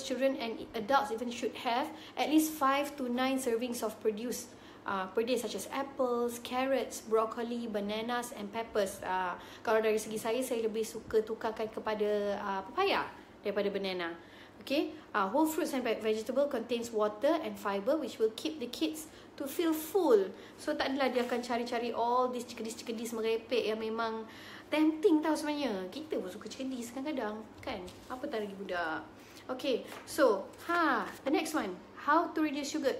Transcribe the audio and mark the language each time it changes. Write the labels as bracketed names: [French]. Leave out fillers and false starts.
[English] Children and adults even should have at least 5 to 9 servings of produce per day, such as apples, carrots, broccoli, bananas and peppers. [Malay] Kalau dari segi saya, saya lebih suka tukarkan kepada papaya daripada banana. [English] Okay, whole fruits and vegetables contains water and fiber which will keep the kids to feel full. [Malay] So tak adalah dia akan cari-cari all this cekedis-cekedis merepek yang memang tempting tau sebenarnya. Kita pun suka cekedis kadang-kadang, kan? Apa tak lagi budak? [English] Okay, so the next one. How to reduce sugar?